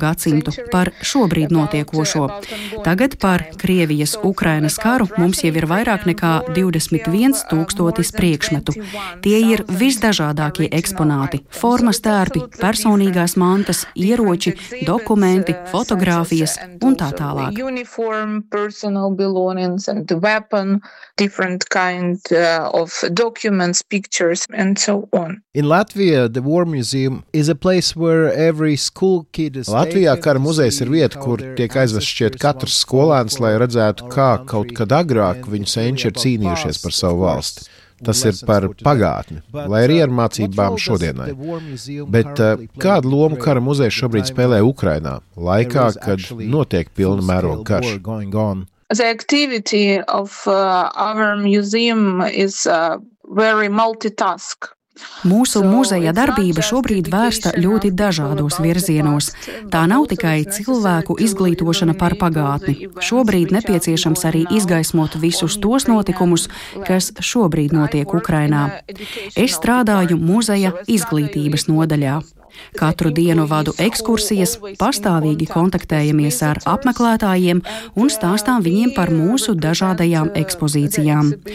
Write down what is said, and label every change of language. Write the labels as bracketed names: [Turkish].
[Latvian] Gadsimtu, par šobrīd notiekošo. Tagad par Krievijas-Ukrainas karu mums jau ir vairāk nekā 21 tūkstotis priekšmetu. Tie ir visdažādākie eksponāti – formas tērpi, personīgās mantas, ieroči, dokumenti, fotogrāfijas un tā tālāk. [English] Uniform, personal belongings and weapon, different kind of documents, pictures and so on. In Latvia, the War Museum is a place where every school kid is. [Latvian] Latvijā kara muzejs ir vieta, kur tiek aizvests šķiet katrs skolēns, lai redzētu, kā kaut kad agrāk viņu senči ir cīnījušies par savu valsti. Tas ir par pagātni, lai arī ar mācībām šodienai. Bet kādu lomu kara muzejs šobrīd spēlē Ukrainā, laikā, kad notiek pilna mēroga karš? [English] The activity of our museum is very multitask. [Latvian] Mūsu muzeja darbība šobrīd vērsta ļoti dažādos virzienos. Tā nav tikai cilvēku izglītošana par pagātni. Šobrīd nepieciešams arī izgaismot visus tos notikumus, kas šobrīd notiek Ukrainā. Es strādāju muzeja izglītības nodaļā. Katru dienu vadu ekskursijas, pastāvīgi kontaktējamies ar apmeklētājiem un stāstām viņiem par mūsu dažādajām ekspozīcijām.